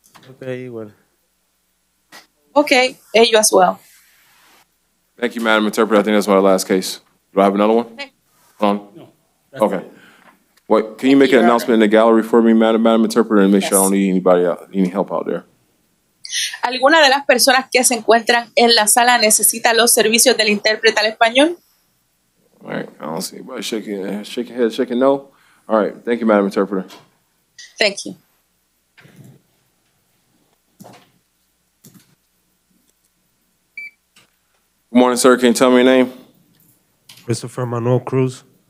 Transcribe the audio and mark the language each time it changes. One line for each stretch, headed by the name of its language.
English: Okay, well. Okay, and you as well. Thank you, Madam Interpreter. I think that's my last case. Do I have another one? Hey. Hold on. No. Okay. It. Wait, can you make an announcement in the gallery for me, Madam Interpreter, and make sure I don't need anybody out, any help out there?
Spanish: ¿Alguna de las personas que se encuentran en la sala necesita los servicios del intérprete al español?
English: All right, I don't see anybody shaking head, shaking no. All right, thank you, Madam Interpreter. Thank you. Good morning, sir. Can you tell me your name? Christopher Manuel Cruz.